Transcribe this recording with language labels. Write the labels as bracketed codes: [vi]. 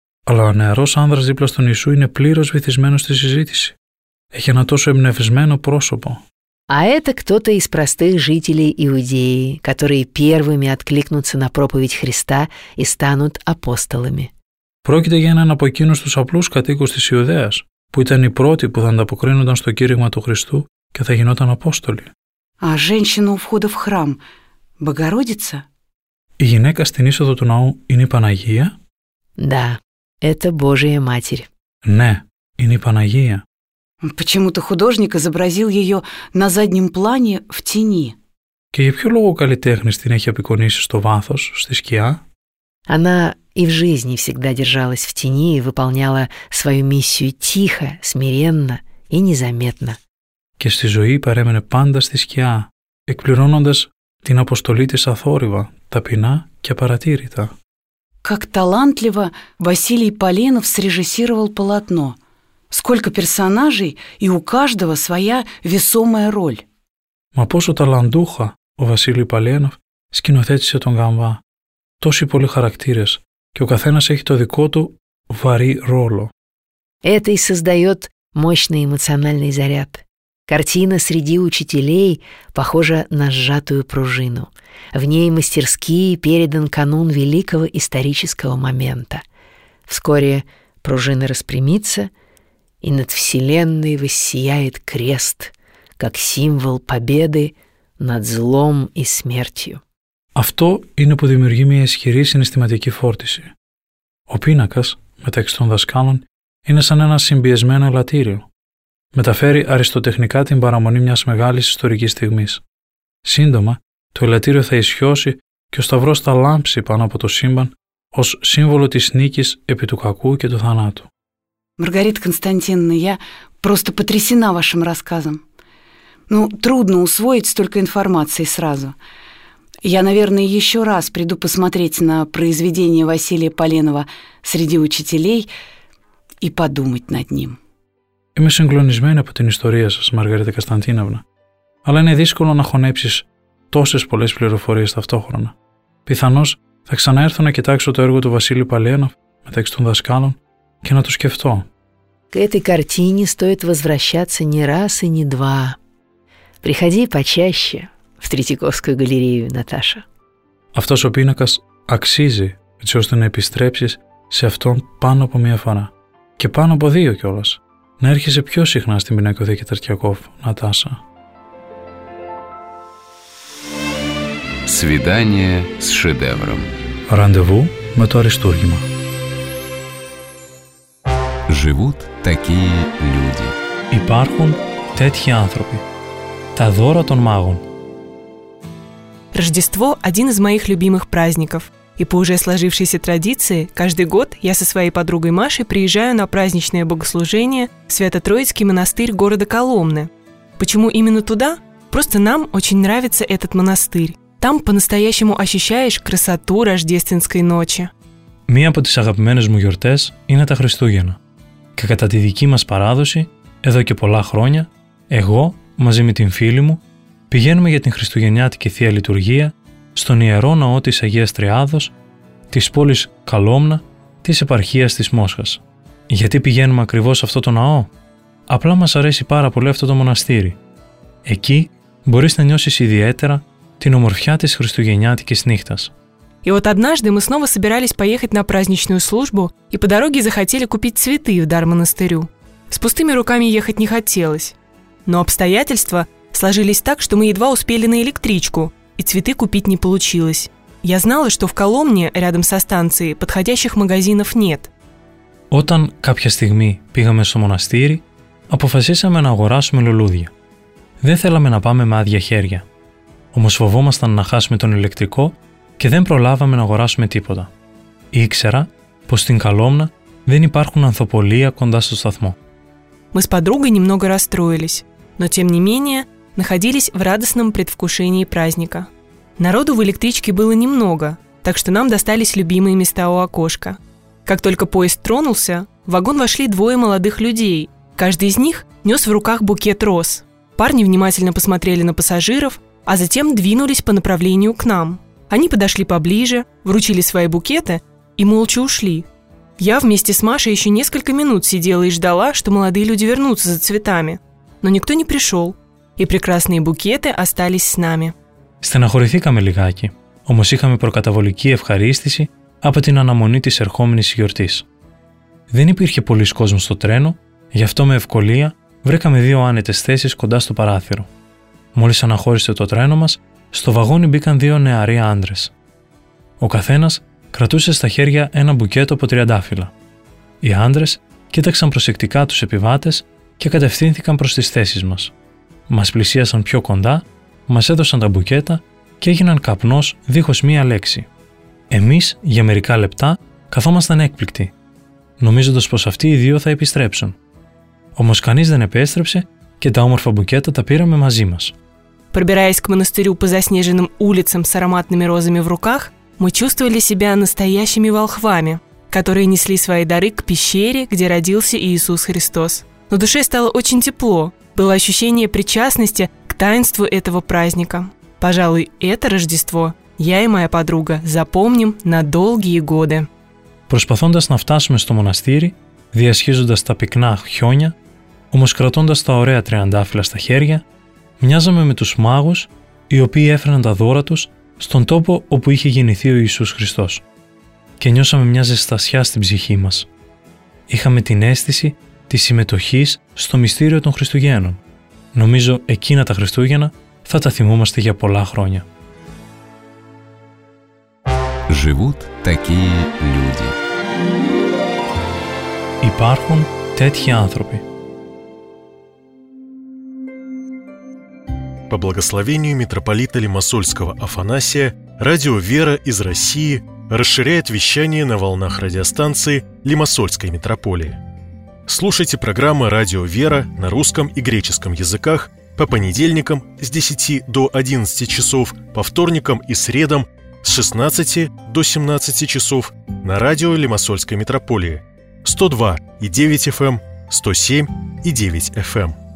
[el] Αλλά ο νεαρός άνδρας δίπλα στον Ιησού είναι πλήρως βυθισμένος στη συζήτηση. Έχει ένα τόσο εμπνευσμένο πρόσωπο. [ru] А это кто-то из простых жителей Иудеи, которые первыми откликнутся на проповедь Христа и станут апостолами. [el] Πρόκειται για έναν από εκείνους τους απλούς κατοίκους της Ιουδαίας, που ήταν οι πρώτοι που θα ανταποκρίνονταν στο κήρυγμα του Χριστού και θα γινόταν Απόστολοι. [ru] А женщина у входа в храм – Богородица? [el] Η γυναίκα στην είσοδο του ναού είναι η Παναγία? [ru] Да, это Божия Матерь. [el] Ναι, είναι η Παναγία. [ru] Почему-то художник изобразил ее на заднем плане в тени. [el] Και για ποιο λόγο ο καλλιτέχνης την έχει απεικονίσει στο βάθος, στη σκιά? [ru] Она и в жизни всегда держалась в тени и выполняла свою миссию тихо, смиренно и незаметно. [el] Και στη ζωή παρέμενε πάντα στη σκιά, εκπληρώνοντας την αποστολή της αθόρυβα, ταπεινά και απαρατήρητα. [ru] Как талантливо Василий Поленов срежиссировал полотно. Сколько персонажей, и у каждого своя весомая роль. [el] Μα πόσο ταλαντούχα ο Βασίλη Παλένοφ σκηνοθέτησε τον Γαμβά. Τόσοι πολλοί χαρακτήρες, και ο καθένας έχει το δικό του βαρύ ρόλο. [ru] Это и создает мощный эмоциональный заряд. Картина среди учителей похожа на сжатую пружину. В ней мастерски передан канун великого исторического момента. Вскоре пружина распрямится, и над вселенной воссияет крест, как символ победы над злом и смертью. [el] Αυτό είναι που δημιουργεί μια ισχυρή συναισθηματική φόρτιση. Ο πίνακας, μεταξύ των δασκάλων, είναι σαν ένα συμπιεσμένο ελαττήριο. Μεταφέρει αριστοτεχνικά την παραμονή μιας μεγάλης ιστορικής στιγμής. Σύντομα, το ελαττήριο θα ισιώσει και ο σταυρός θα λάμψει πάνω από το σύμπαν ως σύμβολο της νίκης επί του κακού και του θανάτου. [ru] Μαργαρίτα Κωνσταντίνα, я просто потрясена вашим рассказом. Ну, трудно усвоить столько информации сразу. Я, наверное, еще раз приду посмотреть на произведение Василия Поленова «Среди учителей» и подумать над ним. [el] Είμαι συγκλονισμένη από την ιστορία σας, Μαργαρίτα Κωνσταντίνοβνα. Αλλά είναι δύσκολο να χωνέψεις τόσες πολλές πληροφορίες ταυτόχρονα. Πιθανώς θα ξαναέρθω να κοιτάξω το έργο του Βασίλη Παλένοφ μεταξύ των δασκάλων και να το σκεφτώ. [ru] К этой картине стоит возвращаться не раз и не два. Приходи почаще. В Третьяковскую галерею, Наташа. [el] Αυτός ο πίνακας αξίζει, έτσι ώστε να επιστρέψεις σε αυτόν πάνω από μία φορά. Και πάνω από δύο κιόλας. Να έρχεσαι πιο συχνά στην Πινακοθήκη Τερτιακόφ, Νατάσα. [ru] Свидание с шедевром. [el] Ραντεβού με το αριστούργημα. [ru] Живут такие люди. [el] Υπάρχουν τέτοιοι άνθρωποι. Τα δώρα των μάγων. [ru] Рождество – один из моих любимых праздников. И по уже сложившейся традиции, каждый год я со своей подругой Машей приезжаю на праздничное богослужение в Свято-Троицкий монастырь города Коломны. Почему именно туда? Просто нам очень нравится этот монастырь. Там по-настоящему ощущаешь красоту рождественской ночи. [el] Мия από τις αγαπημένες μου γιορτές είναι τα Χριστούγεννα. Και κατά τη δική μας παράδοση, εδώ και πολλά χρόνια, εγώ, μαζί με την φίλη μου, πηγαίνουμε για την Χριστουγεννιάτικη Θεία Λειτουργία στον Ιερό Ναό της Αγίας Τριάδος της πόλης Καλόμνα της επαρχίας της Μόσχας. Γιατί πηγαίνουμε ακριβώς σε αυτό το ναό? Απλά μας αρέσει πάρα πολύ αυτό το μοναστήρι. Εκεί μπορείς να νιώσεις ιδιαίτερα την ομορφιά της Χριστουγεννιάτικης νύχτας. [ru] И вот однажды мы снова собирались поехать на праздничную службу и по дороге захотели купить цветы в дар монастырю. С пустыми руками ехать не хотелось. Но обстоятельства сложились так, что мы едва успели на электричку, и цветы купить не получилось. Я знала, что в Коломне, рядом со станцией, подходящих магазинов нет. [el] Όταν κάποια στιγμή πήγαμε στο μοναστήρι, αποφασίσαμε να αγοράσουμε λουλούδια. Δεν θέλαμε να πάμε με άδεια χέρια. Όμως φοβόμασταν να χάσουμε τον ηλεκτρικό και δεν προλάβαμε να αγοράσουμε τίποτα. Ήξερα πως στην Καλόμνα δεν υπάρχουν ανθοπολία κοντά στο σταθμό. [ru] Мы с подругой немного расстроились. Но, тем не менее, находились в радостном предвкушении праздника. Народу в электричке было немного, так что нам достались любимые места у окошка. Как только поезд тронулся, в вагон вошли двое молодых людей. Каждый из них нес в руках букет роз. Парни внимательно посмотрели на пассажиров, а затем двинулись по направлению к нам. Они подошли поближе, вручили свои букеты и молча ушли. Я вместе с Машей еще несколько минут сидела и ждала, что молодые люди вернутся за цветами. Но никто не пришел, и прекрасные букеты остались с нами. [el] Στεναχωρηθήκαμε λιγάκι, όμως είχαμε προκαταβολική ευχαρίστηση από την αναμονή της ερχόμενης γιορτής. Δεν υπήρχε πολλής κόσμος στο τρένο, γι' αυτό με ευκολία βρήκαμε δύο άνετες θέσεις κοντά στο παράθυρο. Μόλις αναχώρησε το τρένο μας, στο βαγόνι μπήκαν δύο νεαροί άντρες. Ο καθένας κρατούσε στα χέρια ένα μπουκέτο από τριαντάφυλλα. Οι άντρες κοίταξαν προσεκτικά τους επιβάτες και κατευθύνθηκαν προς τις θέσεις μας. Μας πλησίασαν πιο κοντά, μας έδωσαν τα μπουκέτα και έγιναν καπνός δίχως μία λέξη. Εμείς, για μερικά λεπτά, καθόμασταν έκπληκτοι, νομίζοντας πως αυτοί οι δύο θα επιστρέψουν. Όμως κανείς δεν επέστρεψε και τα όμορφα μπουκέτα τα πήραμε μαζί μας. [ru] Пробираясь к монастырю по заснеженным улицам с ароматными розами в руках, мы чувствовали себя настоящими волхвами, которые несли свои дары к пещере, где родился Иисус Христос. На душе стало очень тепло, было ощущение причастности к таинству этого праздника. Пожалуй, это Рождество я и моя подруга запомним на долгие годы. [el] Προσπαθώντας να φτάσουμε στο μοναστήρι, διασχίζοντας τα πυκνά χιόνια, όμως κρατώντας τα ωραία τριαντάφυλλα στα χέρια, μοιάζαμε με τους μάγους, οι οποίοι έφεραν τα δώρα τους στον τόπο όπου είχε γεννηθεί ο Ιησούς Χριστός. Και νιώσαμε μια ζεστασιά στην ψυχή μας. Είχαμε την αίσθηση της συμμετοχής στο μυστήριο των Χριστουγέννων. Νομίζω εκείνα τα Χριστούγεννα θα τα θυμόμαστε για πολλά χρόνια. [ru] Живут такие люди. [el] Υπάρχουν τέτοιοι άνθρωποι. [ru] По благословению митрополита Лимассольского Афанасия, радио «Вера» из России расширяет вещание на волнах радиостанции Лимассольской митрополии. Слушайте программы «Радио «Вера» на русском и греческом языках по понедельникам с 10 до 11 часов, по вторникам и средам с 16 до 17 часов на радио Лимассольской митрополии 102.9 FM, 107.9 FM.